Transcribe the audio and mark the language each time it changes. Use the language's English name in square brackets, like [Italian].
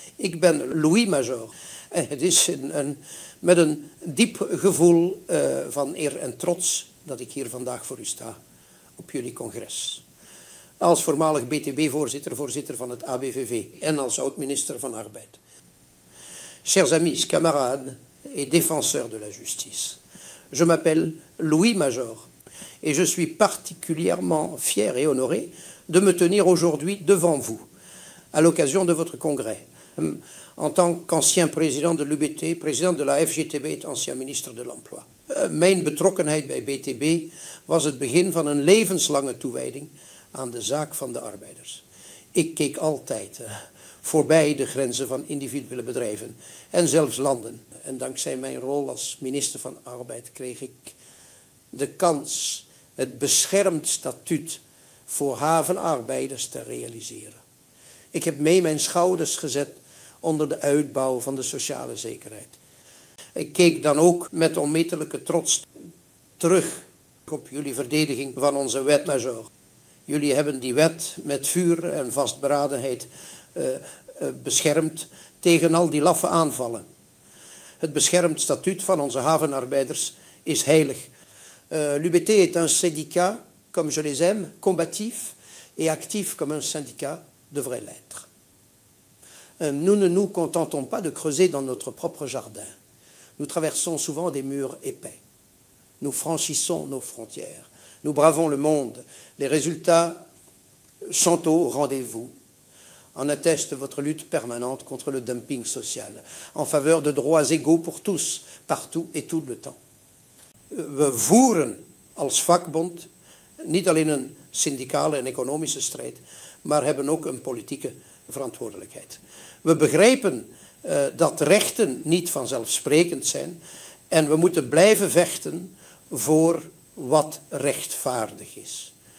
[Dutch] Ik ben Louis Major. Het is met een diep gevoel van eer en trots dat ik hier vandaag voor u sta op jullie congres. Als voormalig BTB-voorzitter, voorzitter van het ABVV en als oud-minister van Arbeid. [French] Chers amis, camarades et défenseurs de la justice. Je m'appelle Louis Major et je suis particulièrement fier et honoré de me tenir aujourd'hui devant vous à l'occasion de votre congrès. En tant qu'ancien président de l'UBT, président de la FGTB et ancien ministre de l'Emploi. [Dutch] Mijn betrokkenheid bij BTB was het begin van een levenslange toewijding aan de zaak van de arbeiders. Ik keek altijd voorbij de grenzen van individuele bedrijven en zelfs landen. En dankzij mijn rol als minister van Arbeid kreeg ik de kans het beschermd statuut voor havenarbeiders te realiseren. Ik heb mee mijn schouders gezet onder de uitbouw van de sociale zekerheid. Ik keek dan ook met onmetelijke trots terug op jullie verdediging van onze wet majeur. Jullie hebben die wet met vuur en vastberadenheid beschermd tegen al die laffe aanvallen. Het beschermd statuut van onze havenarbeiders is heilig. [French] L'UBT est un syndicat, comme je les aime, combatif et actif comme un syndicat devrait l'être. Nous ne nous contentons pas de creuser dans notre propre jardin. Nous traversons souvent des murs épais. Nous franchissons nos frontières. Nous bravons le monde. Les résultats sont au rendez-vous. En atteste votre lutte permanente contre le dumping social, en faveur de droits égaux pour tous, partout et tout le temps. [Dutch] We voeren als vakbond niet alleen een syndicale en economische strijd, maar hebben ook een politieke verantwoordelijkheid. We begrijpen dat rechten niet vanzelfsprekend zijn en we moeten blijven vechten voor wat rechtvaardig is.